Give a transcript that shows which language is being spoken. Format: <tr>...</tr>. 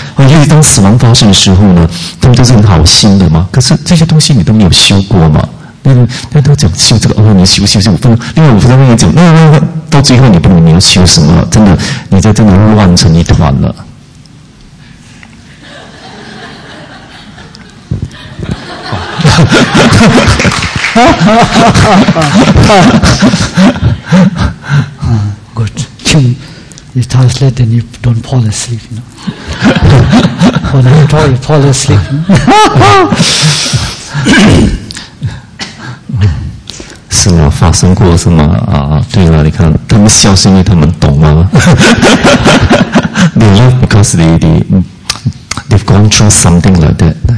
<zh>因为当死亡发生的时候呢，他们都是很好心的嘛。可是这些东西你都没有修过嘛。那都讲修这个，哦，你修修修，分另外五分钟跟你讲，那到最后你不能，你要修什么？真的，你在真的乱成一团了。</zh> <en>Good, Jim, you start late and you don't fall asleep, you know. When I talk, you fall asleep.</en> <zh>是吗？发生过是吗？啊，对了，你看他们笑是因为他们懂吗？</zh> <en>They love because they've gone through something like that.</en>